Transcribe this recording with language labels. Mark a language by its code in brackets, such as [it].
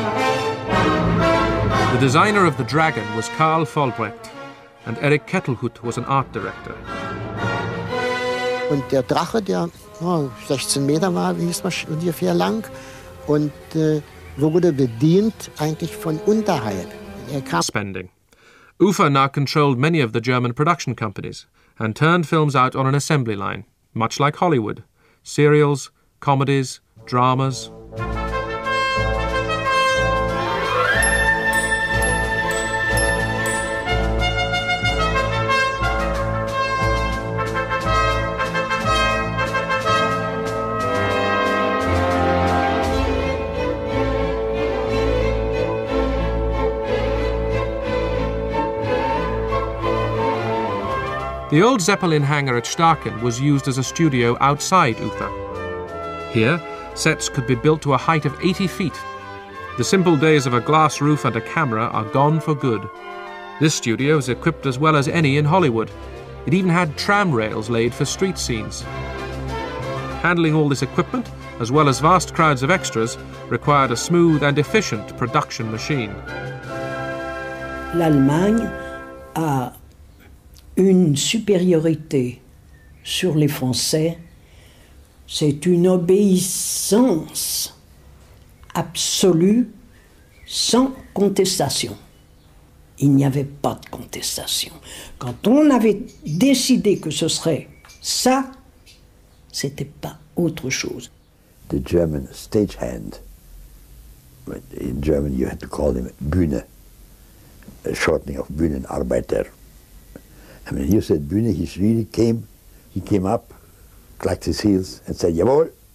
[en] The designer of the dragon was Karl Vollbrecht, and Eric Kettelhut was an art director. [de] Und der Drache, der 16 Meter war, wie hieß man, ungefähr lang, und wurde bedient eigentlich von unterhalb. Er kam. Spending. [en] UFA now controlled many of the German production companies and turned films out on an assembly line, much like Hollywood. Serials, comedies, dramas. The old Zeppelin hangar at Starken was used as a studio outside UFA. Here, sets could be built to a height of 80 feet. The simple days of a glass roof and a camera are gone for good. This studio is equipped as well as any in Hollywood. It even had tram rails laid for street scenes. Handling all this equipment, as well as vast crowds of extras, required a smooth and efficient production machine. [fr] L'Allemagne a une supériorité sur les Français, c'est une obéissance absolue sans contestation. Il n'y avait pas de contestation. Quand on avait décidé que ce serait ça, c'était pas autre chose. [en] The German stagehand, in German you had to call him Bühne, a shortening of Bühnenarbeiter. I mean, here's that Bühne, he really came, he came up, clacked his heels and said, jawohl.